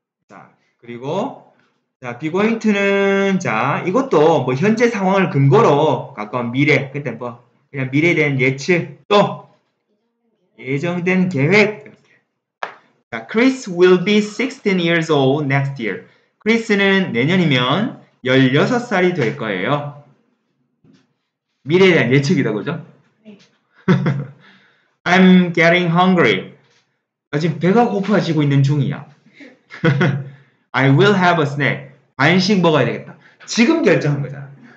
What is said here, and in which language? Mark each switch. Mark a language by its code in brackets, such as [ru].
[ko] 자, 그리고 자, 비고잉투는 자, 이것도 뭐 현재 상황을 근거로 가까운 미래, 그때 뭐 그냥 미래에 대한 예측 또 예정된 계획. [en] 자, Chris will be 16 years old next year. [ko] 크리스는 내년이면 16살이 될 거예요. 미래에 대한 예측이다, 그죠? 네. [en] I'm getting hungry. [ko] 나 지금 배가 고파지고 있는 중이야. [en] I will have a snack. [ko] 간식 먹어야 되겠다. 지금 결정한 거잖아.